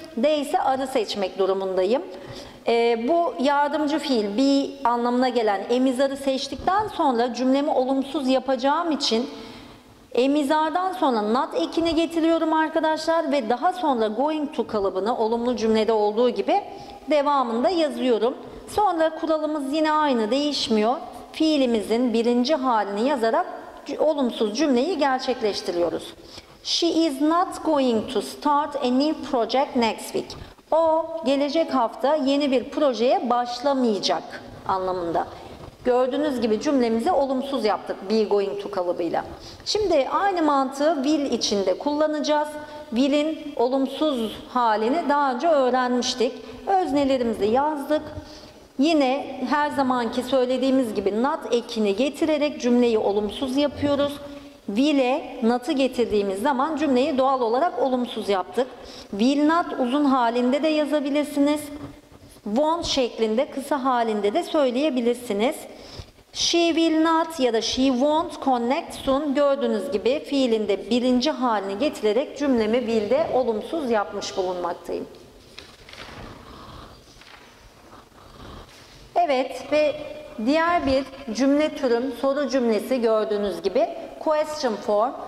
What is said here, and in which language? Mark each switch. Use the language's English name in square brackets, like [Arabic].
[Turkish] They ise arı seçmek durumundayım. Bu yardımcı fiil be anlamına gelen emizarı seçtikten sonra cümlemi olumsuz yapacağım için emizardan sonra not ekini getiriyorum arkadaşlar ve daha sonra going to kalıbını olumlu cümlede olduğu gibi devamında yazıyorum. Sonra kuralımız yine aynı, değişmiyor. Fiilimizin birinci halini yazarak olumsuz cümleyi gerçekleştiriyoruz. [English] She is not going to start a new project next week. [Turkish] O gelecek hafta yeni bir projeye başlamayacak anlamında. Gördüğünüz gibi cümlemizi olumsuz yaptık be going to kalıbıyla. Şimdi aynı mantığı will içinde kullanacağız. Will'in olumsuz halini daha önce öğrenmiştik. Öznelerimizi yazdık. Yine her zamanki söylediğimiz gibi not ekini getirerek cümleyi olumsuz yapıyoruz. Will'e not'ı getirdiğimiz zaman cümleyi doğal olarak olumsuz yaptık. Will not uzun halinde de yazabilirsiniz. Won't şeklinde, kısa halinde de söyleyebilirsiniz. [English] She will not [Turkish] ya da [English] she won't connect soon. [Turkish] Gördüğünüz gibi fiilinde birinci halini getirerek cümlemi will'de olumsuz yapmış bulunmaktayım. Evet, ve diğer bir cümle türüm soru cümlesi, gördüğünüz gibi question form.